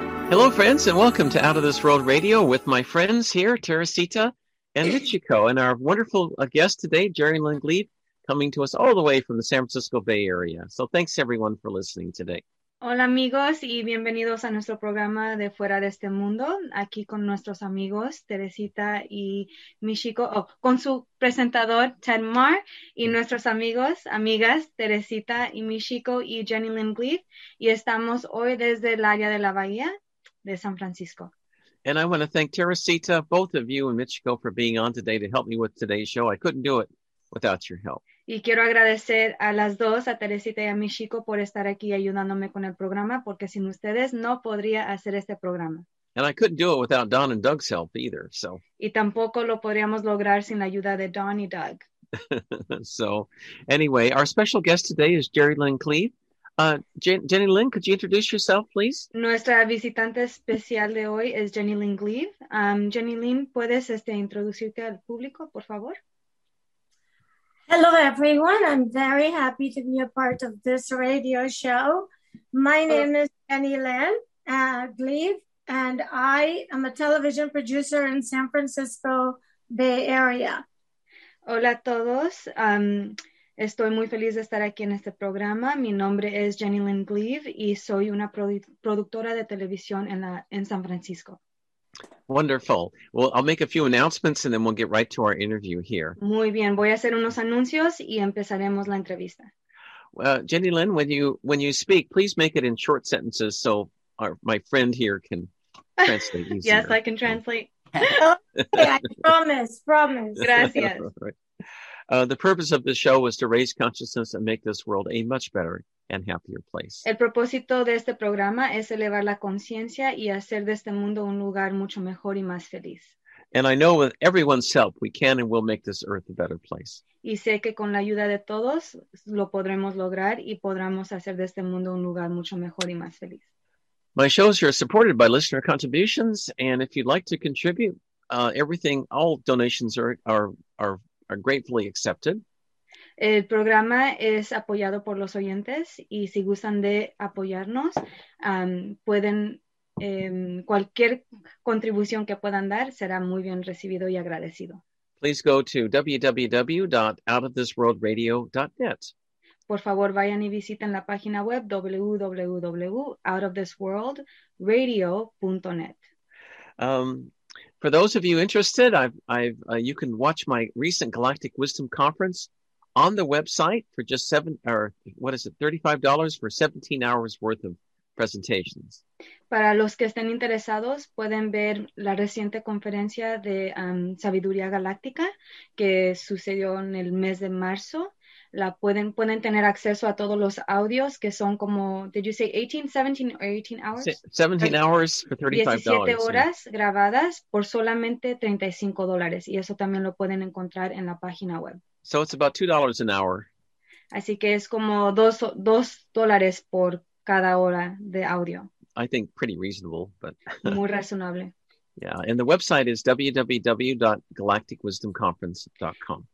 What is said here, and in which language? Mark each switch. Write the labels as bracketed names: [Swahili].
[English] Hello, friends, and welcome to Out of This World Radio with my friends here, Teresita and Michiko, and our wonderful guest today, Jerry Lynn Gleeb, coming to us all the way from the San Francisco Bay Area. So thanks, everyone, for listening today. [Spanish] Hola, amigos, y bienvenidos a nuestro programa de Fuera de Este Mundo, aquí con nuestros amigos, Teresita y Michiko, con su presentador, Ted Marr, y nuestros amigos, amigas, Teresita y Michiko y Jenny Lynn Gleeb, y estamos hoy desde el área de la Bahía de San Francisco. [English] And I want to thank Teresita, both of you and Michiko for being on today to help me with today's show. I couldn't do it without your help. [Spanish] Y quiero agradecer a las dos, a Teresita y a Michiko, por estar aquí ayudándome con el programa, porque sin ustedes no podría hacer este programa. [English] And I couldn't do it without Don and Doug's help either, so. [Spanish] Y tampoco lo podríamos lograr sin la ayuda de Don y Doug. [English] So, anyway, our special guest today is Jerry Lynn Gleeb. Jenny Lynn, could you introduce yourself, please? [Spanish] Nuestra visitante especial de hoy es Jenny Lynn Gleeb. Jenny Lynn, ¿puedes introducirte al público, por favor? [English] Hello, everyone. I'm very happy to be a part of this radio show. My name is Jenny Lynn Gleeb, and I am a television producer in San Francisco Bay Area. [Spanish] Hola a todos. Estoy muy feliz de estar aquí en este programa. Mi nombre es Jenny Lynn Gleeb, y soy una productora de televisión en San Francisco. [English] Wonderful. Well, I'll make a few announcements and then we'll get right to our interview here. [Spanish] Muy bien. Voy a hacer unos anuncios y empezaremos la entrevista. [English] Well, Jenny Lynn, when you speak, please make it in short sentences so my friend here can translate easier. Yes, I can translate. Okay, I promise. [Spanish] Gracias. [English] The purpose of the show was to raise consciousness and make this world a much better and happier place. [Spanish] El propósito de este programa es elevar la conciencia y hacer de este mundo un lugar mucho mejor y más feliz. [English] And I know with everyone's help, we can and will make this earth a better place. [Spanish] Y sé que con la ayuda de todos, lo podremos lograr y podremos hacer de este mundo un lugar mucho mejor y más feliz. [English] My shows are supported by listener contributions, and if you'd like to contribute, all donations are gratefully accepted. [Spanish] El programa es apoyado por los oyentes y si gustan de apoyarnos, pueden cualquier contribución que puedan dar será muy bien recibido y agradecido. [English] Please go to www.outofthisworldradio.net. [Spanish] Por favor, vayan y visiten la página web www.outofthisworldradio.net. [English] For those of you interested, you can watch my recent Galactic Wisdom Conference on the website for just $35 for 17 hours worth of presentations. [Spanish] Para los que estén interesados, pueden ver la reciente conferencia de Sabiduría Galáctica que sucedió en el mes de marzo. Pueden tener acceso a todos los audios que son como, [English] did you say 18, 17 or 18 hours? 17 hours for $35. [Spanish] 17 horas yeah. Grabadas por solamente $35. Y eso también lo pueden encontrar en la página web. [English] So it's about $2 an hour. [Spanish] Así que es como $2 por cada hora de audio. [English] I think pretty reasonable, but. [Spanish] Muy razonable. [English] Yeah, and the website is www.galacticwisdomconference.com.